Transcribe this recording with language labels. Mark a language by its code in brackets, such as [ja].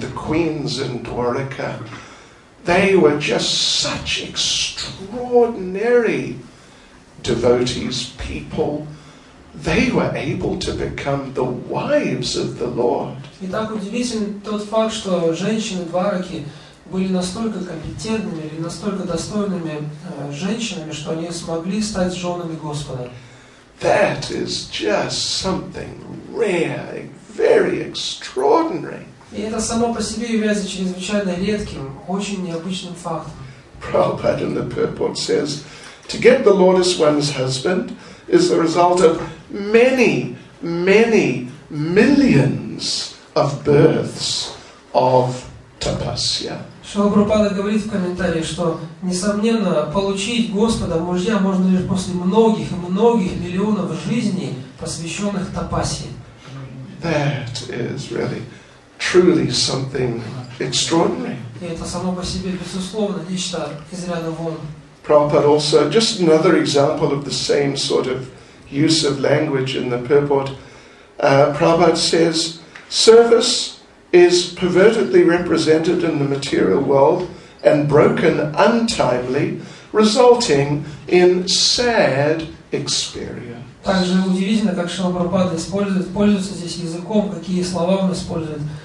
[en] The queens in Dwarka, they were just such extraordinary devotees, people. They were able to become the wives of the Lord. [ru] И так удивительен тот факт, что женщины Двараки были настолько компетентными или настолько достойными женщинами, что они смогли стать женами Господа. [en] That is just something rare, very extraordinary. [ru] И это само по себе является чрезвычайно редким, очень необычным фактом. [en] Prabhupada in the purport says, to get the lotus one's husband is the result of many, many millions of births of tapasya. [ru] Шрила Прабхупада говорит в комментарии, что, несомненно, получить Господа мужья можно лишь после многих и многих миллионов жизней, посвященных тапасе. [en] That is really, truly something extraordinary. [ru] И это само по себе, безусловно, нечто из ряда вон. [en] Prabhupada also, just another example of the same sort of use of language in the purport, Prabhupada says, service is pervertedly represented in the material world and broken untimely, resulting in sad experience. [ru] Также удивительно, как Шрила Прабхупада пользуется здесь языком, какие слова он использует.